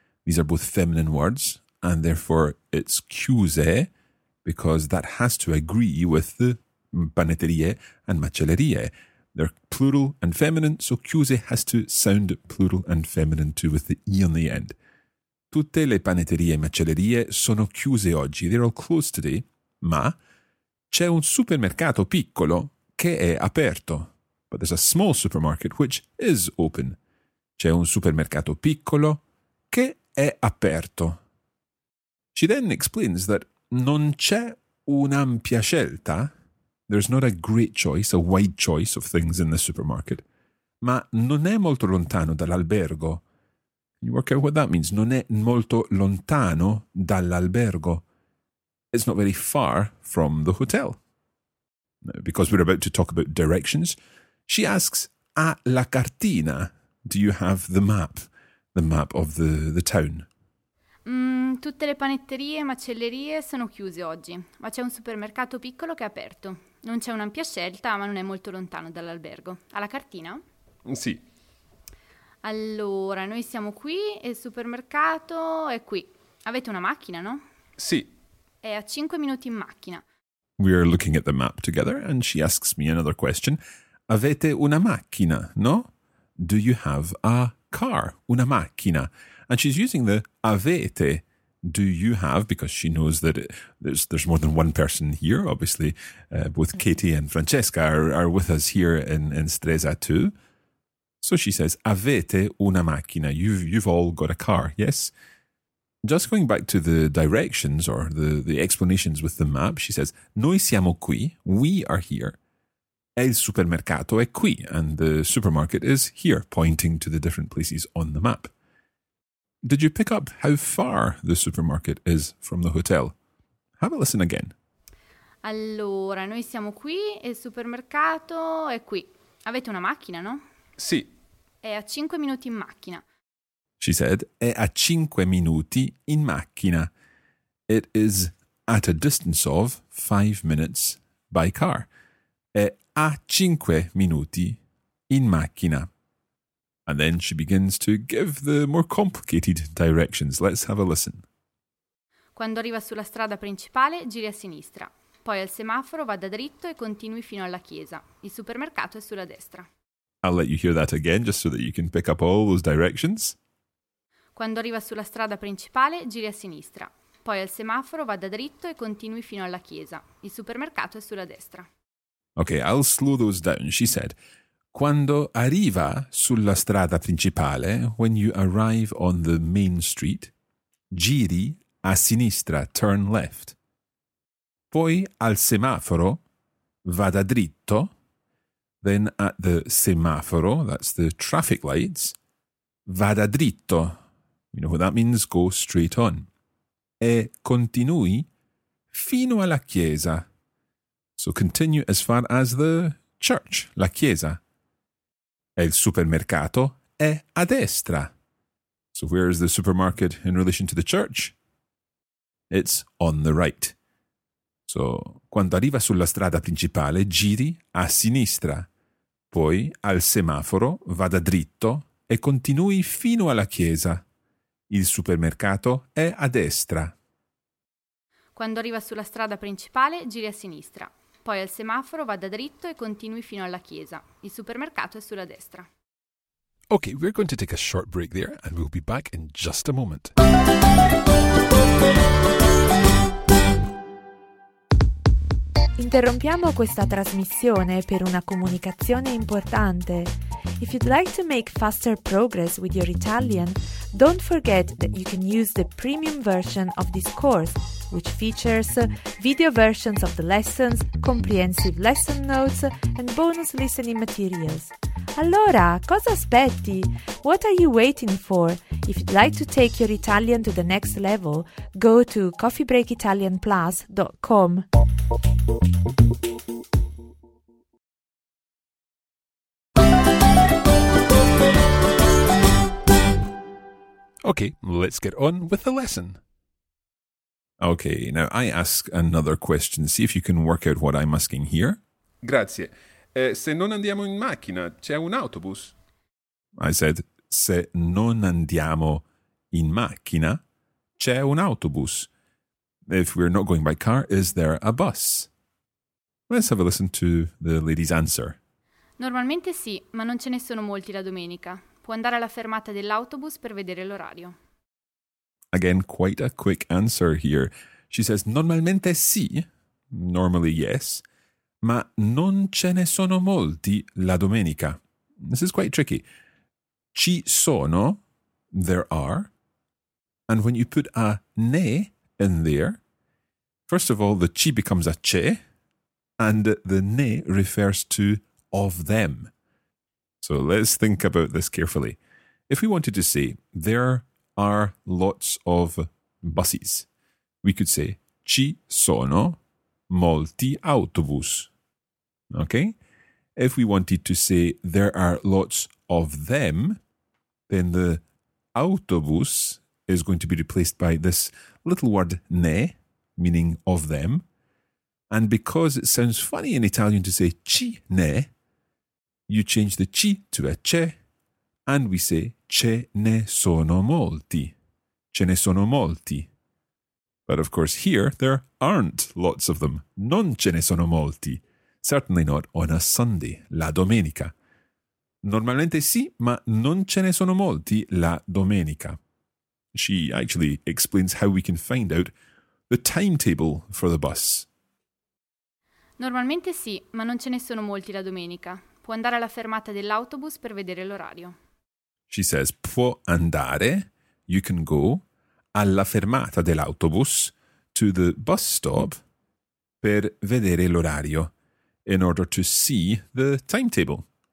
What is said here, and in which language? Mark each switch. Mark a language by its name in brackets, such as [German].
[English] These are both feminine words. And therefore it's chiuse because that has to agree with the panetterie and macellerie. They're plural and feminine, so chiuse has to sound plural and feminine too, with the E on the end. [Italian] Tutte le panetterie e macellerie sono chiuse oggi. [English] They're all closed today. [Italian] Ma c'è un supermercato piccolo che è aperto. [English] But there's a small supermarket which is open. [Italian] C'è un supermercato piccolo che è aperto. [English] She then explains that [Italian] non c'è un'ampia scelta. [English] There's not a great choice, a wide choice of things in the supermarket. [Italian] Ma non è molto lontano dall'albergo. [English] Can you work out what that means? [Italian] Non è molto lontano dall'albergo. [English] It's not very far from the hotel. Because we're about to talk about directions, she asks, [Italian] a la cartina, [English] do you have the map of the town? [Italian] Tutte le panetterie e macellerie sono chiuse oggi, ma c'è un supermercato piccolo che è aperto. Non c'è un'ampia scelta, ma non è molto lontano dall'albergo. Alla cartina? Sì. Allora, noi siamo qui e il supermercato è qui. Avete una macchina, no? Sì. È a 5 minuti in macchina. [English] We are looking at the map together and she asks me another question. [Italian] Avete una macchina, no? [English] Do you have a car? [Italian] Una macchina. [English] And she's using the avete. Do you have, because she knows that there's more than one person here, obviously, both Katie and Francesca are with us here in Stresa too. So she says, [Italian] avete una macchina, [English] you've all got a car, yes? Just going back to the directions or the explanations with the map, she says, [Italian] noi siamo qui, [English] we are here, [Italian] il supermercato è qui, [English] and the supermarket is here, pointing to the different places on the map. Did you pick up how far the supermarket is from the hotel? Have a listen again. [Italian] Allora, noi siamo qui e il supermercato è qui. Avete una macchina, no? Sì. È a 5 minuti in macchina. [English] She said, [Italian] è a 5 minuti in macchina. [English] It is at a distance of 5 minutes by car. [Italian] È a 5 minuti in macchina. [English] And then she begins to give the more complicated directions. Let's have a listen. [Italian] Quando arriva sulla strada principale, giri a sinistra. Poi al semaforo vada dritto e continui fino alla chiesa. Il supermercato è sulla destra. [English] I'll let you hear that again, just so that you can pick up all those directions. [Italian] Quando arriva sulla strada principale, giri a sinistra. Poi al semaforo vada dritto e continui fino alla chiesa. Il supermercato è sulla destra. [English] Okay, I'll slow those down, she said. [Italian] Quando arriva sulla strada principale, [English] when you arrive on the main street, [Italian] giri a sinistra, [English] turn left. [Italian] Poi al semaforo, vada dritto. [English] Then at the semaforo, that's the traffic lights, [Italian] vada dritto. [English] You know what that means, go straight on. [Italian] E continui fino alla chiesa. [English] So continue as far as the church, [Italian] la chiesa. Il supermercato è a destra. [English] So where is the supermarket in relation to the church? It's on the right. [Italian] So quando arriva sulla strada principale, giri a sinistra. Poi al semaforo vada dritto e continui fino alla chiesa. Il supermercato è a destra. Quando arriva sulla strada principale, giri a sinistra. Poi al semaforo vada dritto e continui fino alla chiesa. Il supermercato è sulla destra. [English] Okay, we're going to take a short break there and we'll be back in just a moment. [Italian] Interrompiamo questa trasmissione per una comunicazione importante. [English] If you'd like to make faster progress with your Italian, don't forget that you can use the premium version of this course, which features video versions of the lessons, comprehensive lesson notes, and bonus listening materials. [Italian] Allora, cosa aspetti? [English] What are you waiting for? If you'd like to take your Italian to the next level, go to coffeebreakitalianplus.com. Thank you. Okay, let's get on with the lesson. Okay, now I ask another question. See if you can work out what I'm asking here. [Italian] Grazie. Se non andiamo in macchina, c'è un autobus? [English] I said, [Italian] se non andiamo in macchina, c'è un autobus. [English] If we're not going by car, is there a bus? Let's have a listen to the lady's answer. [Italian] Normalmente sì, ma non ce ne sono molti la domenica. Può andare alla fermata dell'autobus per vedere l'orario. [English] Again, quite a quick answer here. She says, [Italian] normalmente sì, [English] normally yes, [Italian] ma non ce ne sono molti la domenica. [English] This is quite tricky. [Italian] Ci sono, [English] there are, and when you put a ne in there, first of all, the ci becomes a ce, and the ne refers to of them. So let's think about this carefully. If we wanted to say, there are lots of buses, we could say, [Italian] ci sono molti autobus. [English] Okay? If we wanted to say, there are lots of them, then the autobus is going to be replaced by this little word, ne, meaning of them. And because it sounds funny in Italian to say, [Italian] ci ne, [English] you change the ci to a ce, and we say, [Italian] ce ne sono molti. Ce ne sono molti. [English] But of course here, there aren't lots of them. [Italian] Non ce ne sono molti. [English] Certainly not on a Sunday, [Italian] la domenica. Normalmente sì, ma non ce ne sono molti la domenica. [English] She actually explains how we can find out the timetable for the bus. [Italian] Normalmente sì, ma non ce ne sono molti la domenica. Può andare alla fermata dell'autobus per vedere l'orario. [English] She says, [Italian] può andare, [English] you can go, [Italian] alla fermata dell'autobus, [English] to the bus stop, [Italian] per vedere l'orario, [English] in order to see the timetable.